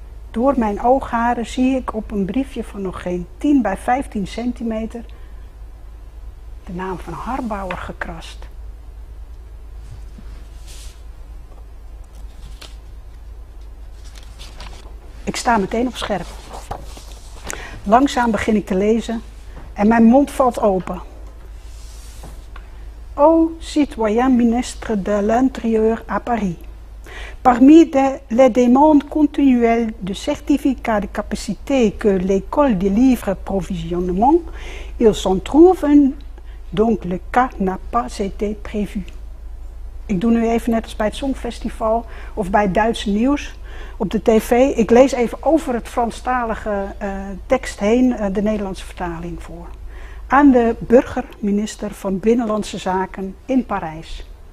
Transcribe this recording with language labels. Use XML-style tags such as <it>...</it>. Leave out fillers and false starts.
<nl>Door mijn oogharen zie ik op een briefje van nog geen 10 bij 15 centimeter de naam van Harbauer gekrast. Ik sta meteen op scherp. Langzaam begin ik te lezen en mijn mond valt open.</nl> <fr>O citoyen ministre de l'intérieur à Paris. Parmi les demandes continuelles de certificat de capacité que l'école délivre provisionnement, ils s'en trouvent, donc le cas n'a pas été prévu.</fr> <nl>Ik doe nu even net als bij het Songfestival of bij het Duitse nieuws op de tv. Ik lees even over het Franstalige tekst heen de Nederlandse vertaling voor. Aan de burgerminister van Binnenlandse Zaken in Parijs.</nl>